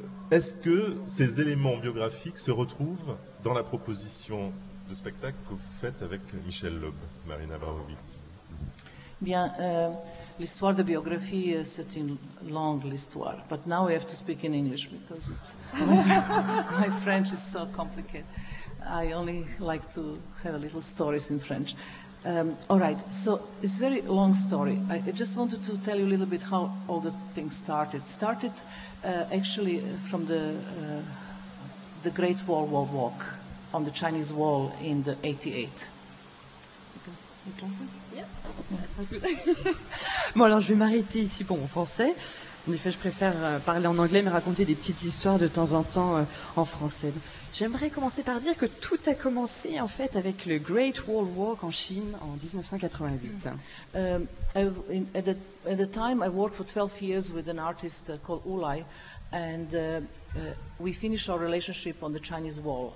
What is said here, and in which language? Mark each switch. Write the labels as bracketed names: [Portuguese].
[French] Est-ce que ces éléments biographiques se retrouvent dans la proposition de spectacle que vous faites avec Michel Loeb, Marina Abramovic? Bien, l'histoire de biographie, c'est une longue histoire. [English] But now we have to speak in English because it's my French is so complicated. I only like to have a little stories in French. All right, so it's a very long story. I just wanted to tell you a little bit how all the things started. Started actually from the Great Wall walk on the Chinese Wall in the 88. [French] Bon, alors je vais m'arrêter ici pour mon français. En effet, je préfère parler en anglais mais raconter des petites histoires de temps en temps en français. J'aimerais commencer par dire que tout a commencé en fait avec le Great Wall Walk en Chine en 1988. [English] At the time I worked for 12 years with an artist called Ulai, and we finished our relationship on the Chinese Wall.